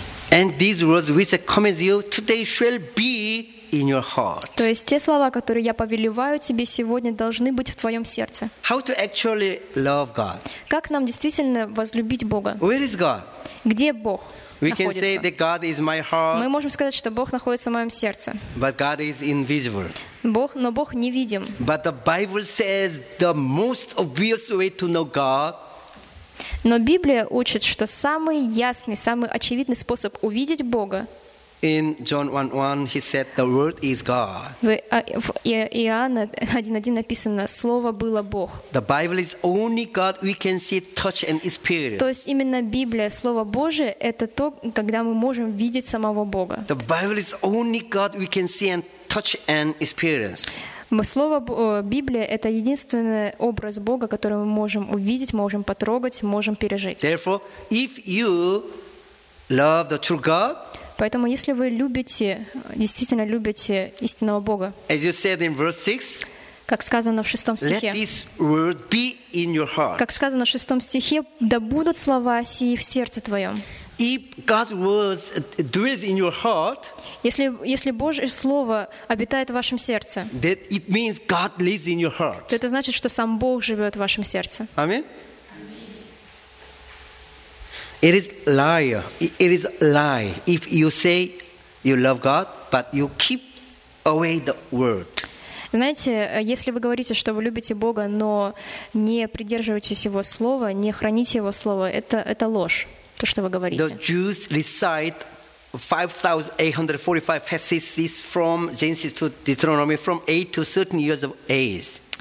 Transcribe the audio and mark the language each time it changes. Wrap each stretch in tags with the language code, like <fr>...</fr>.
<en>And these words which I command you today shall be in your heart.</en> <ru>То есть те слова, которые я повелеваю тебе сегодня, должны быть в твоем сердце.</ru> <en>How to actually love God?</en> <ru>Как нам действительно возлюбить Бога?</ru> <en>Where is God?</en> <ru>Где Бог?</ru> <en>We can say that God is my heart.</en> <ru>Мы можем сказать, что Бог находится в моем сердце.</ru> <en>But God is invisible.</en> <ru>Бог, но Бог невидим.</ru> <en>But the Bible says the most obvious way to know God.</en> <ru>Но Библия учит, что самый ясный, самый очевидный способ увидеть Бога.</ru> <en>In John 1:1, he said, "The Word is God."</en> <ru>В Иоанна 1:1 написано, Слово было Бог.</ru> <en>The Bible is only God we can see, touch, and experience.</en> <ru>То есть именно Библия, Слово Божие, это то, когда мы можем видеть самого Бога.</ru> <en>The Bible is only God we can see and touch and experience.</en> <ru>Слово Библия — это единственный образ Бога, который мы можем увидеть, можем потрогать, можем пережить.</ru> <en>Therefore, if you love the true God.</en> <ru>Поэтому, если вы любите, действительно любите истинного Бога,</ru> <en>as you said in verse 6,</en> <ru>как сказано в 6 стихе,</ru> <en>let this word be in your heart.</en> <ru>Как сказано в 6 стихе, да будут слова сии в сердце твоем.</ru> <en>If God's words dwells in your heart,</en> <ru>если Божье слово обитает в вашем сердце,</ru> <en>that it means God lives in your heart.</en> <ru>То это значит, что сам Бог живет в вашем сердце.</ru> <en>Amen. It is liar. It is lie if you say you love God, but you keep away the word.</en> <ru>Знаете, если вы говорите, что вы любите Бога, но не придерживаетесь Его слова, не храните Его слова, это ложь, то, что вы говорите.</ru> <en>The Jews recite 5,845 passages from Genesis to Deuteronomy from 8 to 13 years of age.</en>